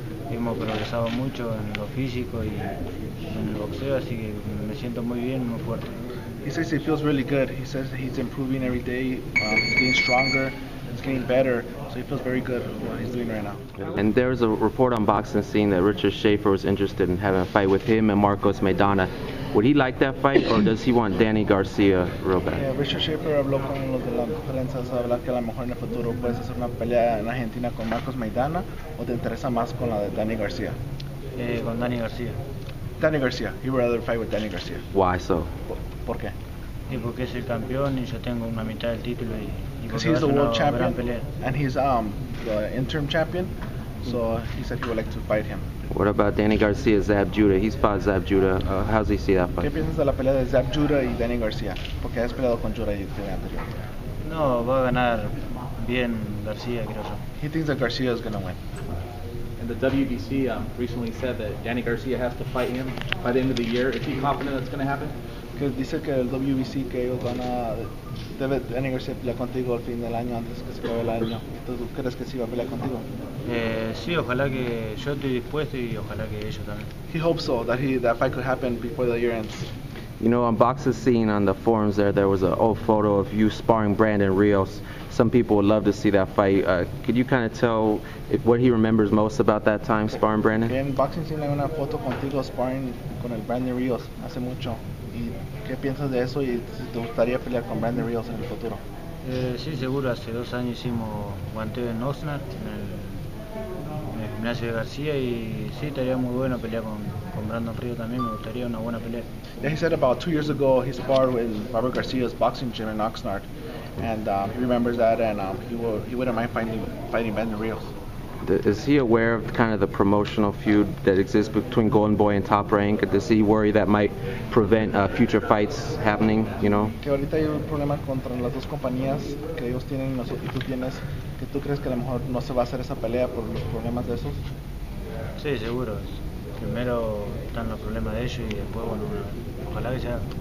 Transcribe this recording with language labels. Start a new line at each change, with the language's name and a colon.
Spanish: Hemos progresado mucho en lo físico y en el boxeo, así que me siento muy bien, muy fuerte.
English: He says he feels really good. He says he's improving every day, getting stronger. It's getting better, so he feels very good what he's doing right now. And there's a report on Boxing Scene that Richard Schaefer was interested in having a fight with him and Marcos Maidana. Would he like that fight, or does he want Danny Garcia real bad?
Spanish: Yeah, Richard Schaefer habló con los de la prensa, habla que a lo mejor en el futuro puedes hacer una pelea en Argentina con Marcos Maidana, o te interesa más con la de Danny Garcia? Con Danny Garcia.
English: Danny Garcia. He would rather fight with Danny Garcia. Why so?
Spanish: ¿Por qué? Y porque es el campeón y yo tengo una mitad del título y
English: because he's the world champion and he's the interim champion, so he said he would like to fight him. What about Danny Garcia, Zab Judah? He's fought Zab Judah. How does he see that fight?
Spanish: ¿Qué piensas de la pelea de Zab Judah y Danny Garcia? Porque has peleado con Judah el día anterior. No, va a ganar bien Garcia, creo yo.
English: He thinks that Garcia is going to win. And the WBC recently said that Danny Garcia has to fight him by the end of the year. Is he confident that's going to happen?
Spanish: Que dice que el WBC que ellos van a debe Danny Garcia pelear contigo al fin del año antes que se acabe el año. ¿Tú crees que sí va a pelear contigo? Sí, ojalá que yo esté dispuesto y ojalá que ellos también.
English: He hopes so that fight could happen before the year ends. You know, on Boxing Scene on the forums there was an old photo of you sparring Brandon Rios. Some people would love to see that fight. Could you kind of tell what he remembers most about that time sparring Brandon?
Spanish: En Boxing Scene hay una foto contigo sparring con el Brandon Rios hace mucho. ¿Y qué piensas de eso y si te gustaría pelear con Brandon Rios en el futuro? Sí, seguro. Hace dos años hicimos guanteo en Oxnard, en el gimnasio de García, y sí, estaría muy bueno pelear con Brandon Rios también. Me gustaría una buena pelea.
English: Yeah, he said about 2 years ago he sparred with Robert Garcia's boxing gym in Oxnard, and he remembers that, and he wouldn't mind fighting Brandon Rios. Is he aware of kind of the promotional feud that exists between Golden Boy and Top Rank? Does he worry that might prevent future fights happening, you know?
Spanish: Que ahorita hay un problema contra las dos compañías que ellos tienen y nosotros tú tienes. ¿Que tú crees que a lo mejor no se va a hacer esa pelea por los problemas de esos? Sí, seguro. Primero están los problemas de ellos y después, bueno, ojalá que sea.